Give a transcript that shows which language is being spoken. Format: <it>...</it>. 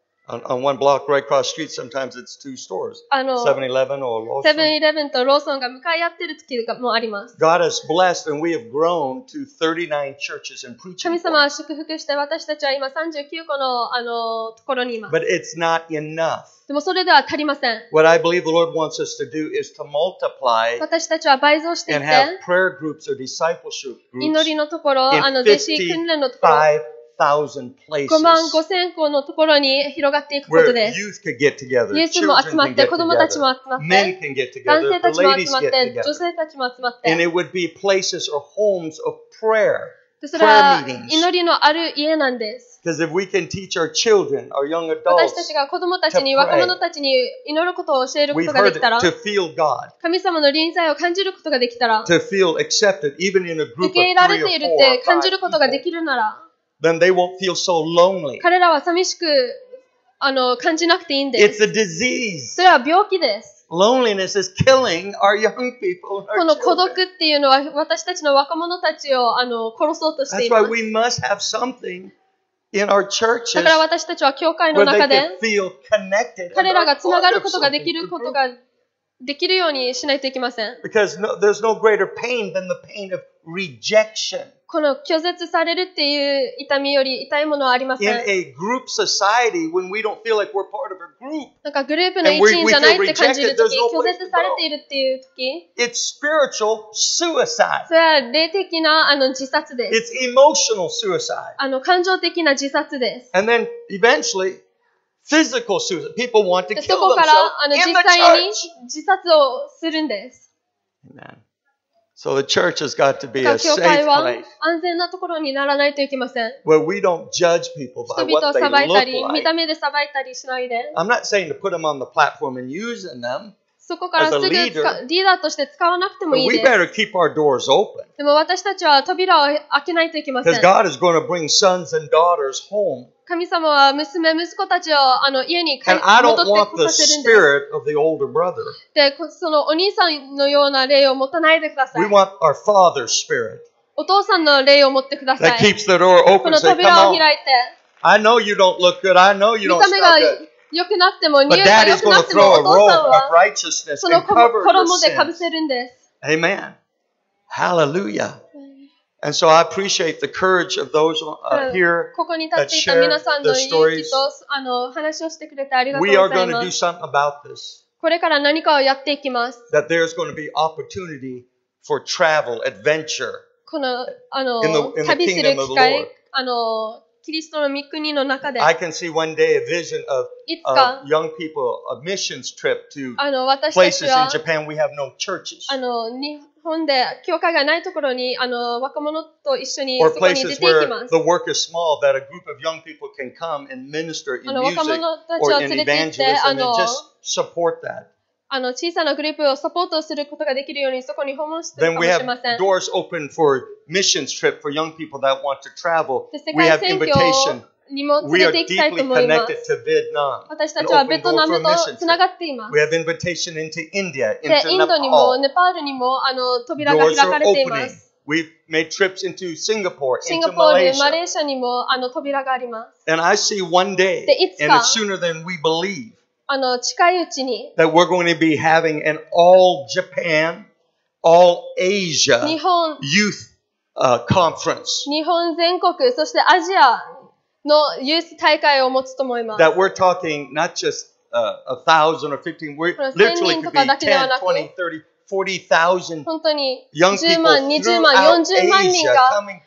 <en>On one block right across the street, sometimes it's two stores. 7-Eleven or Lawson.</en> <ja>7-Eleven とローソンが向かい合ってる時もあります。</ja> <en>God has blessed and we have grown to 39 churches and preaching.</en> <ja>神様は祝福して私たちは今39個のところにいます。</ja> <en>But it's not enough.</en> <ja>でもそれでは足りません。</ja> <en>What I believe the Lord wants us to do is to multiply.</en> <ja>私たちは倍増していって。</ja> <en>And have prayer groups or discipleship groups.</en> <ja>祈りのところ、弟子訓練のところ。55,000個のところに広がっていくことです。</ja> <en>youth can get together,</en> <ja>ユースも集まって、子供たちも集まって、</ja> <en>men can get together,</en> <ja>男性たちも集まって、女性たちも集まって、</ja> <en>and it would be places or homes of prayer, prayer meetings.</en> <ja>祈りのある家なんです。</ja> <en>Because if we can teach our children, our young adults,</en> <ja>私たちが子供たちに、若者たちに祈ることを教えることができたら、</ja> <en>to feel God,</en> <ja>神様の臨在を感じることができたら、</ja> <en>to feel accepted, even in a group of</en> <ja>受け入れられているって感じることができるなら、</ja> <en>Then they won't feel so lonely.</en> <ja>彼らは寂しく感じなくていいんです。</ja> <en>It's a disease.</en> <ja>それは病気です。</ja> <en>Loneliness is killing our young people.</en> <ja>この孤独っていうのは私たちの若者たちを殺そうとしています。</ja> <en>That's why we must have something in our churches.</en> <ja>だから私たちは教会の中で彼らがつながることができることができるようにしないといけません。</ja> <en>Because no, there's no greater pain than the pain of rejection.</en> <ja>この拒絶されるっていう痛みより痛いものはありません。</ja> <en>Society, like、group,</en> <ja>なんかグループの一員じゃないって感じるとき、拒絶されているっていうとき、</ja> <en>It's spiritual suicide.</en> <ja>それは霊的な自殺です。</ja> <en>It's emotional suicide.</en> <ja>感情的な自殺です。</ja> <en>And then eventually, physical suicide. People want to kill themselves</en> <ja>そこから実際に自殺をするんです。</ja> <en>Amen. So the church has got to be a safe place.</en> <ja>安全なところにならないといけません。</ja> <en>Where we don't judge people by what they look like.</en> <ja>見た目で裁いたりしないで。</ja> <en>I'm not saying to put them on the platform and using them</en> <ja>そこからすぐリーダーとして使わなくてもいいです。</ja> <en>But we better keep our doors open.</en> <ja>でも私たちは扉を開けないといけません。</ja> <en>Because God is going to bring sons and daughters home.</en> <ja>神様は娘、息子たちを家に戻ってこさせるんです。</ja> <en>And I don't want the spirit of the older brother.</en> <ja>で、そのお兄さんのような霊を持たないでください。</ja> <en>We want our father's spirit.</en> <ja>お父さんの霊を持ってください。</ja> <en>That keeps the door open.</en> <ja>この扉を開いて。</ja> <en>I know you don't look good. I know you don't smell good.</en> <ja>良くなくても、匂いが良くなくても、お父さんはその衣でかぶせるんです。</ja> <en>Amen. Hallelujah. And so I appreciate the courage of those here that share the stories.</en> <ja>話をしてくれてありがとうございます。</ja> <en>We are going to do something about this.</en> <ja>これから何かをやっていきます。</ja> <en>That there's going to be opportunity for travel, adventure.</en> <ja>この旅する機会、キリストの御国の中で、</ja> <en>I can see one day a vision of young people, a missions trip to places in Japan we have no churches.</en> <ja>日本で教会がないところに若者と一緒にそこに出ていきます。</ja> <en>Or places where the work is small, that a group of young people can come and minister in music or in evangelism and just support that.</en> <ja>小さなグループをサポートすることができるようにそこに訪問するかもしれません。</ja> <en>Then we have doors open for missions trip for young people that want to travel. We have invitation.</en> <ja>にも連れて行きたいと思います。私たちはベトナムとつながっています。</ja> <en>We have invitation into India, into Nepal.</en> <ja>インドにもネパールにも扉が開かれています。</ja> <en>We've made trips into Singapore,</en> <ja>シンガポール、マレーシアにも扉があります。</ja> <en>And I see one day, and it's sooner than we believe,</en> <ja>近いうちに、</ja> <en>that we're going to be having an all Japan, all Asia youth conference.</en> <ja>日本全国、そしてアジア、のユース大会を持つと思います。</ja> <en>That we're talking not just a thousand or 15, we're literally could be 10, 20, 30, 40,000 young people throughout Asia coming together</en>